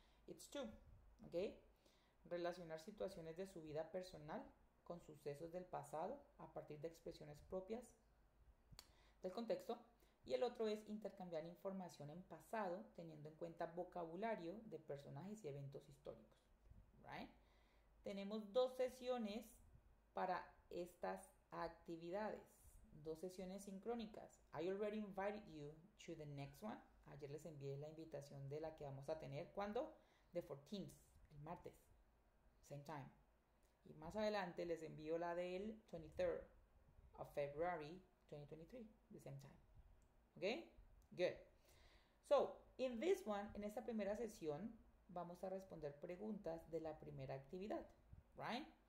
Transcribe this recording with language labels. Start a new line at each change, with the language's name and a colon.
English: It's two,
Spanish: okay? Relacionar situaciones de su vida personal con sucesos del pasado a partir de expresiones propias del contexto. Y el otro es intercambiar información en pasado teniendo en cuenta vocabulario de personajes y eventos históricos. Right? Tenemos dos sesiones para estas actividades, dos sesiones sincrónicas.
English: I already invited you to the next one.
Spanish: Ayer les envié la invitación de la que vamos a tener.
English: ¿Cuándo? The 14th,
Spanish: el martes.
English: Same time.
Spanish: Y más adelante les envío la del
English: 23rd of February 2023. The same time.
Spanish: Okay? Good.
English: So, in this one,
Spanish: en esta primera sesión, vamos a responder preguntas de la primera actividad. Right?